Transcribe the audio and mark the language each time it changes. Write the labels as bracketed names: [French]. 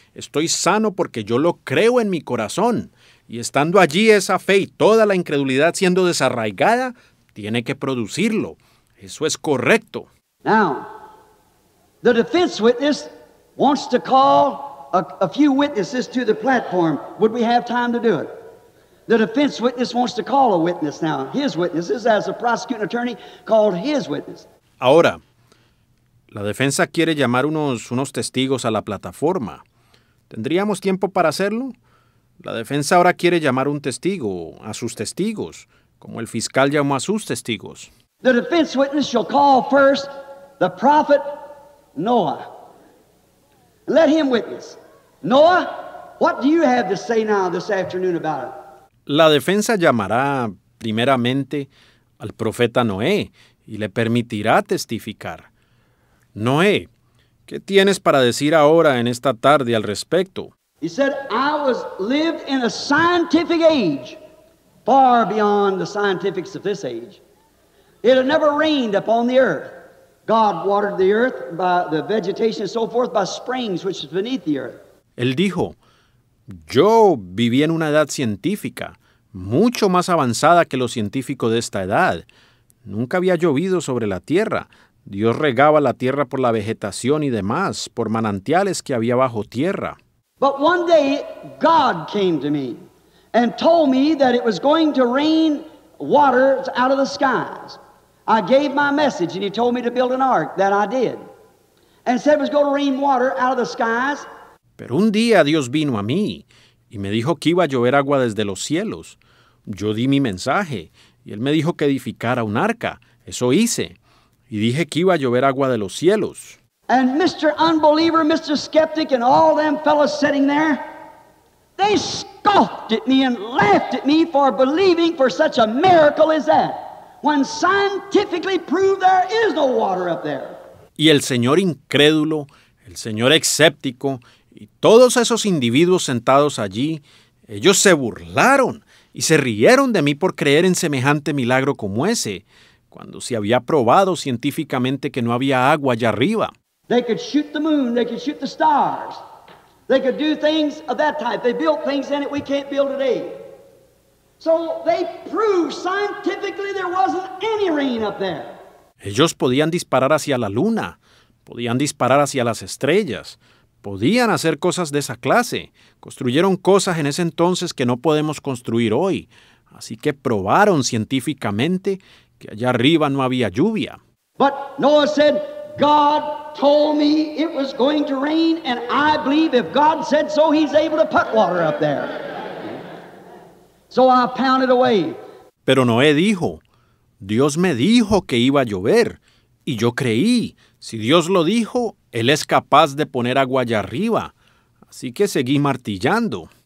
[Spanish] Estoy sano porque yo lo creo en mi corazón. Y estando allí esa fe y toda la incredulidad siendo desarraigada, tiene que producirlo. Eso es correcto. [English] Now, the defense witness wants to call a few witnesses to the platform. Would we have time to do it? The defense witness wants to call a witness now. His witnesses, as a prosecuting attorney, called his witness. [Spanish] Ahora, La defensa quiere llamar unos testigos a la plataforma. ¿Tendríamos tiempo para hacerlo? La defensa ahora quiere llamar un testigo, a sus testigos, como el fiscal llamó a sus testigos. [English] The defense witness shall call first the prophet Noah. Let him witness. Noah, what do you have to say now this afternoon about it? [Spanish] La defensa llamará primeramente al profeta Noé y le permitirá testificar. Noé, ¿qué tienes para decir ahora en esta tarde al respecto? [English] He said, I was lived in a scientific age, far beyond the scientifics of this age. It had never rained upon the earth. God watered the earth by the vegetation and so forth by springs which is beneath the earth. [Spanish] Él dijo, yo viví en una edad científica, mucho más avanzada que lo científico de esta edad. Nunca había llovido sobre la tierra. Dios regaba la tierra por la vegetación y demás, por manantiales que había bajo tierra. [English] But one day God came to me and told me that it was going to rain water out of the skies. I gave my message and he told me to build an ark that I did. And said it was going to rain water out of the skies. [Spanish] Pero un día Dios vino a mí y me dijo que iba a llover agua desde los cielos. Yo di mi mensaje y él me dijo que edificara un arca. Eso hice. Y dije que iba a llover agua de los cielos. [English] And Mr. Unbeliever, Mr. Skeptic, and all them fellas sitting there, they scoffed at me and laughed at me for believing for such a miracle as that, when scientifically proved there is no water up there. [Spanish] Y el señor incrédulo, el señor escéptico, y todos esos individuos sentados allí, ellos se burlaron y se rieron de mí por creer en semejante milagro como ese, cuando se había probado científicamente que no había agua allá arriba. [English] They could shoot the moon, they could shoot the stars. They could do things of that type. They built things in it we can't build today. So they proved scientifically there wasn't any rain up there. [Spanish] Ellos podían disparar hacia la luna, podían disparar hacia las estrellas, podían hacer cosas de esa clase. Construyeron cosas en ese entonces que no podemos construir hoy. Así que probaron científicamente que allá arriba no había lluvia. [English] But Noah said, God told me it was going to rain, and I believe if God said so, he's able to put water up there. So I pounded away. [Spanish] Pero Noé dijo, Dios me dijo que iba a llover, y yo creí. Si Dios lo dijo, él es capaz de poner agua allá arriba. Así que seguí martillando.